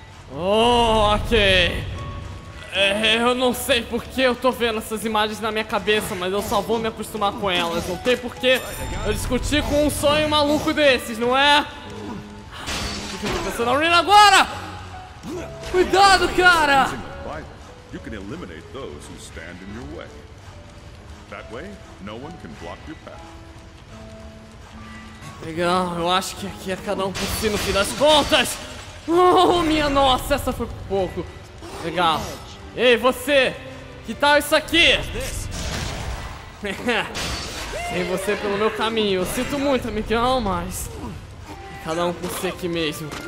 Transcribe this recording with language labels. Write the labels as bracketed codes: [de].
[pt] Ok. É, eu não sei por que eu tô vendo essas imagens na minha cabeça, mas eu só vou me acostumar com elas. Não tem por que eu discutir com um sonho maluco desses, não é? O que eu tô pensando na Rina agora? Cuidado, cara! [en] You can eliminate those who stand in your way. That way, no one can block your path. [pt] Legal, eu acho que aqui é cada um por si no fim das contas. Oh, minha nossa, essa foi pouco. Legal. Ei, você! Que tal isso aqui? Sem você pelo meu caminho. Eu sinto muito, amigão, mas... cada um por si aqui mesmo.